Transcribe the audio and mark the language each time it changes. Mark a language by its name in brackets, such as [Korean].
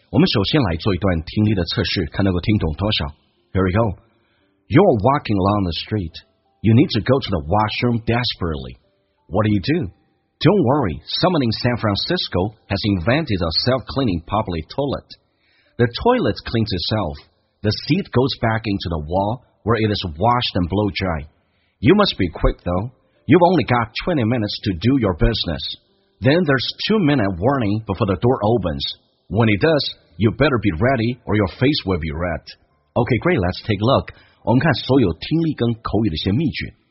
[Chinese] 我们首先来做一段听力的测试，看能够听懂多少。 [English] Here we go. You're walking along the street. You need to go to the washroom desperately. What do you do? Don't worry, someone in San Francisco has invented a self-cleaning public toilet. The toilet cleans itself. The seat goes back into the wall where it is washed and blow dry. You must be quick though. You've only got 20 minutes to do your business. Then there's 2-minute warning before the door opens. When it does, you better be ready or your face will be red. Okay, great, let's take a look. [Chinese] 我们看所有听力跟口语的一些秘诀。